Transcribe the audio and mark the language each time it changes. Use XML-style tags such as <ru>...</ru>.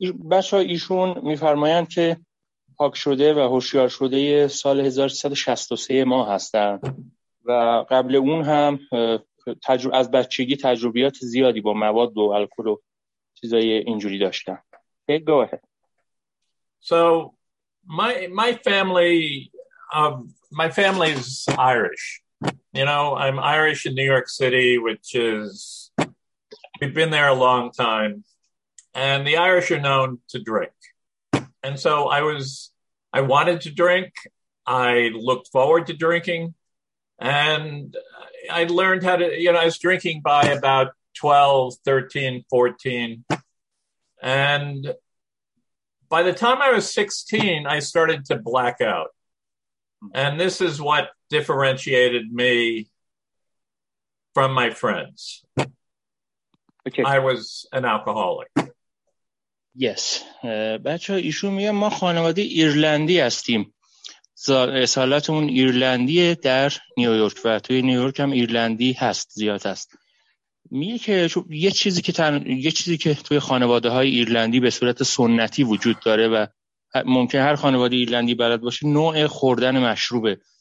<fa>بچه ایشون میفرمایند که پاک شده و هوشیار شده سال 1363 ما هستن و قبل اون هم از بچگی تجربیات زیادی با مواد و الکل و چیزای اینجوری داشتن.</fa> <en>Okay, go ahead. So my family my family is Irish. You know, I'm Irish in New York City, which is, we've been there a long time. And the Irish are known to drink. And so I wanted to drink. I looked forward to drinking. And I learned how to, you know, I was drinking by about 12, 13, 14. And by the time I was 16, I started to black out. And this is what differentiated me from my friends. Okay. I was an alcoholic. Yes.</en> <fa>بچه ها ایشون میگه ما خانواده ایرلندی هستیم. اصالتمون ایرلندیه در نیویورک و توی نیویورک هم ایرلندی هست، زیاد هست. میگه که یه چیزی که توی خانواده های ایرلندی به صورت سنتی وجود داره و ممکن هر خانواده ایرلندی بلد باشه، نوع خوردن مشروبه.</fa>